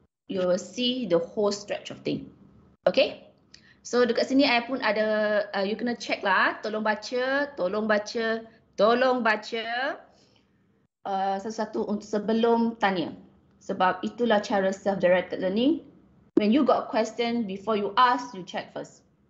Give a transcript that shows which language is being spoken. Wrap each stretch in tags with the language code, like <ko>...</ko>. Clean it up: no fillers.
<en>You will see the whole stretch of thing.</en> <ms>Okay. So dekat sini I pun ada you kena check lah. Tolong baca satu-satu untuk sebelum tanya. Sebab itulah cara self-directed learning.</ms> <en>When you got a question, before you ask, you check first.</en>